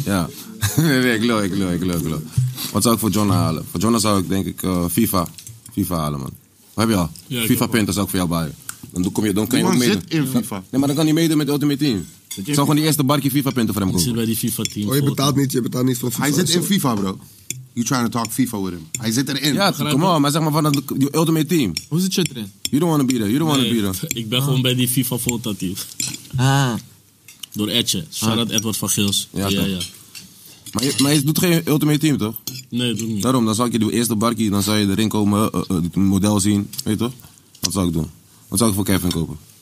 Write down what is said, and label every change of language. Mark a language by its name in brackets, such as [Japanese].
[Dutch] Ja. Nee, ik loop. Wat zou ik voor Jonna halen? Voor Jonna zou ik, denk ik, FIFA. FIFA halen, man. Wat heb je al? Ja, FIFA-punten zou ik voor jou bij. Dan kan je ook meedoen. Zit in FIFA. Nee, maar dan kan hij meedoen met Ultimate Team. Ik zou gewoon die eerste barkje FIFA-punten voor hem kopen. Ik zit bij die FIFA-team. Oh, je betaalt niet voor FIFA. Hij zit in FIFA, bro. [English] You trying to talk FIFA with him. [Dutch] Hij zit erin. Ja, come on. Maar zeg maar van de Ultimate Team. Hoe zit je erin? [English] You don't want to be there. [Dutch] Ik ben gewoon bij die FIFA Volta team. Ah. Door Edje. Shout out Edward van Gils. Ja, ja, ja. Maar je doet geen Ultimate Team, toch? Nee, doe ik niet. Daarom, dan zou ik je de eerste barkie, dan zou je erin komen, het model zien. Weet je toch? Wat zou ik doen? Wat zou ik voor Kevin kopen?